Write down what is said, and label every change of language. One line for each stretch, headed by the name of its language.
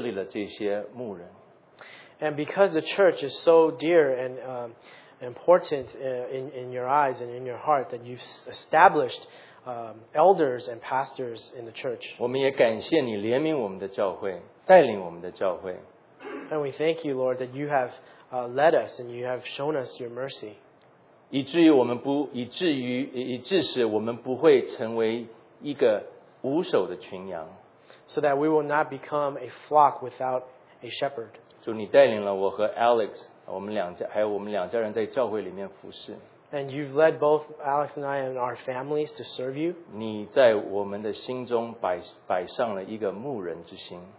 Chinese: 因为这个教会对你来讲是如此的重要，主，你在教会里面你设立了这些长老，设立了这些牧人。
English: And because the church is so dear and important in your eyes and in your heart that you've established elders and pastors in the church.
Chinese: 我们也感谢你怜悯我们的教会，带领我们的教会。
English: And we thank you, Lord, that you have led us and you have shown us your mercy.
Chinese: 以至于我们不会成为一个无手的群羊。
English: So that we will not become a flock without a shepherd.
Chinese: 主，你带领了我和Alex, 我们两家人在教会里面服侍。
English: And you've led both Alex and I and our families to serve you.
Chinese: 你在我们的心中摆上了一个牧人之心。